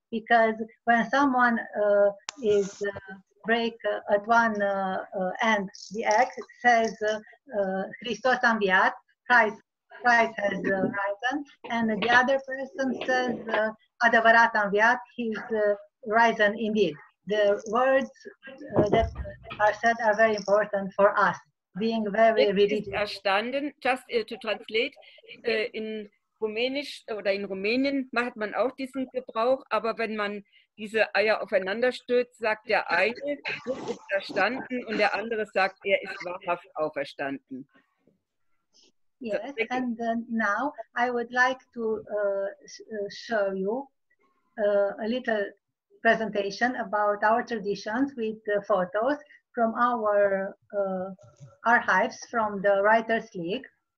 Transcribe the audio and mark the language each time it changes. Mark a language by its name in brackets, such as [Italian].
[English] Because when someone is... break at one end the egg, says [Romanian] Christos Anviat, [English] Christ has risen, and the other person says [Romanian] Adevărat Anviat, [English] he's risen indeed. The words that are said are very important for us, being very religious. Just to translate, [German] in Rumänisch oder in Rumänien macht man auch diesen Gebrauch, aber wenn man diese Eier aufeinander stürzt, sagt der eine, du bist erstanden, und der andere sagt, er ist wahrhaft auferstanden. [English] Yes, so, and now I would like to show you a little presentation about our traditions with the photos from our archives from the Writers League.